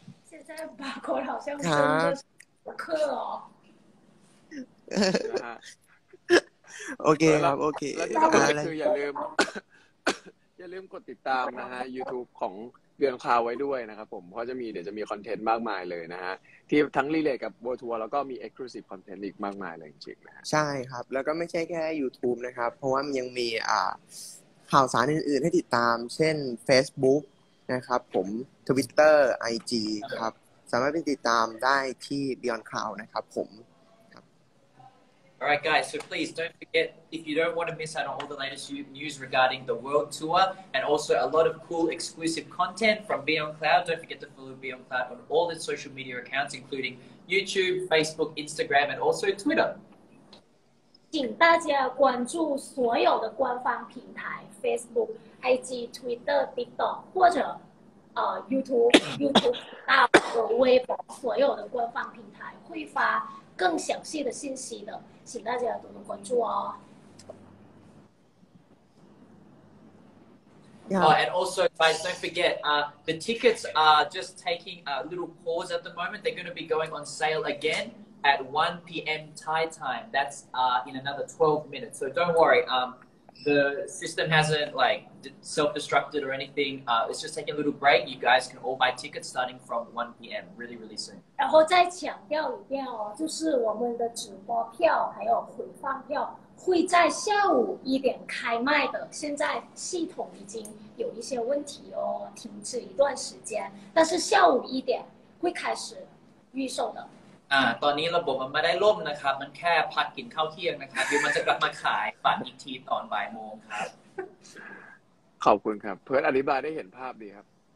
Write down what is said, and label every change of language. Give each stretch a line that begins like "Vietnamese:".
Chinese: 现在巴克好像真的是克哦
Thai: โอเคครับโอเค แล้วก็คืออย่าลืมกดติดตามนะฮะ YouTube ของเบียนคาไว้ด้วยนะครับผมเพราะจะมีเดี๋ยวจะมีคอนเทนต์มากมายเลยนะฮะที่ทั้งรีเลทกับโบทัวร์แล้วก็มี Exclusive Content อีกมากมายเลยจริงๆ ใช่ครับแล้วก็ไม่ใช่แค่ YouTube นะครับเพราะว่ามันยังมีข่าวสารอื่นๆให้ติดตามเช่น Facebook นะครับผม Twitter IG ครับสามารถไปติดตามได้ที่ Beyond Cloud นะครับผมครับ
English: Alright guys so please don't forget if you don't want to miss out on all the latest news regarding the world tour and also a lot of cool exclusive content from Beyond Cloud don't forget to follow Beyond Cloud on all its social media accounts including YouTube Facebook Instagram and also Twitter
Chinese: 请大家关注所有的官方平台 Facebook, IG, Twitter, TikTok 或者YouTube 频道和微博所有的官方平台会发更详细的信息的请大家多多关注哦
English: Yeah. And also guys don't forget the tickets are just taking a little pause at the moment they're going to be going on sale againat 1 p.m. Thai time. That's in another 12 minutes. So don't worry. the system hasn't like self-destructed or anything. It's just taking a little break. You guys can all buy tickets starting from 1 p.m. really, really soon.
Chinese: 然后再强调一遍哦，就是我们的直播票还有回放票会在下午一点开卖的。现在系统已经有一些问题哦，停止一段时间，但是下午一点会开始预售的。
Thai: ตอนนี้ระบบมันไม่ได้ล่มนะครับมันแค่พักกินข้าวเที่ยงนะครับเดี๋ยวมันจะกลับมาขายฝันอีกทีตอนบ่ายโมงครับ ขอบคุณครับเพื่อนอธิบายได้เห็นภาพดีครับ